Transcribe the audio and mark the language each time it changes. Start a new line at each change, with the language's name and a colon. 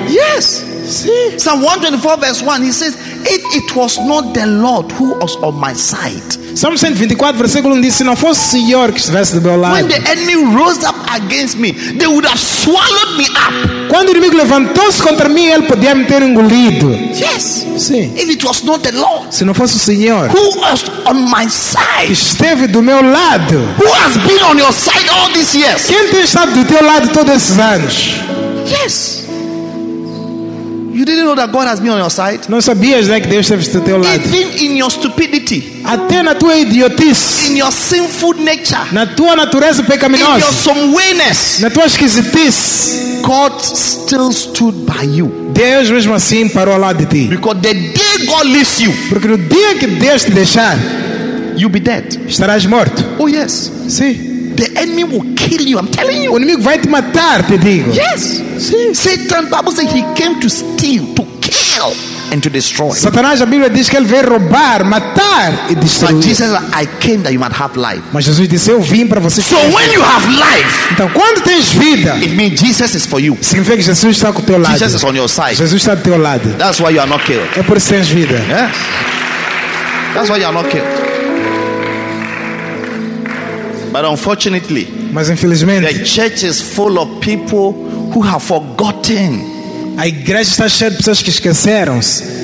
English: Yes.
Portuguese: Sim.
English: Psalm 124 verse 1, he says, if it was not the Lord who was on my side.
Portuguese: Psalm 124 versículo 1 diz, se não fosse o Senhor que estivesse do meu lado.
English: When the enemy rose up against me, they would have swallowed me up.
Portuguese: Quando o inimigo levantou-se contra mim, ele podia me ter engolido.
English: Yes.
Portuguese: Sim.
English: If it was not the Lord.
Portuguese: Se não fosse o Senhor.
English: Who was on my side?
Portuguese: Esteve do meu lado.
English: Who has been on your side all these years?
Portuguese: Quem tem estado do teu lado todos esses anos?
English: Yes. You didn't know that God has been on your side.
Portuguese: Não sabias, né, que Deus esteve do teu lado.
English: Even in your stupidity.
Portuguese: Até na tua idiotice.
English: In your sinful nature.
Portuguese: Na tua natureza pecaminosa.
English: In your some wayness.
Portuguese: Na tua esquisitice.
English: God still stood by you.
Portuguese: Deus mesmo assim parou ao lado de ti.
English: Because the day God leaves you.
Portuguese: Porque no dia que Deus te deixar,
English: you'll be dead.
Portuguese: Estarás morto.
English: Oh yes.
Portuguese: Sim.
English: The enemy will kill you, I'm telling you.
Portuguese: O inimigo vai te matar, te digo.
English: Yes.
Portuguese: Sim.
English: Satan, Bible says he came to steal, to kill and to destroy.
Portuguese: Satanás, a Bíblia diz que ele veio roubar, matar e destruir.
English: But Jesus, I came that you might have life.
Portuguese: Mas Jesus disse, eu vim para você.
English: So when you have life,
Portuguese: então quando tens vida,
English: it means Jesus is for you.
Portuguese: Significa que Jesus está com teu lado.
English: Jesus is on your side.
Portuguese: Jesus está do teu lado.
English: That's why you are not killed.
Portuguese: É por isso que tens vida.
English: Yes. That's why you are not killed. But unfortunately,
Portuguese: mas infelizmente,
English: the church is full of people who have forgotten.
Portuguese: A igreja está cheia de pessoas que esqueceram-se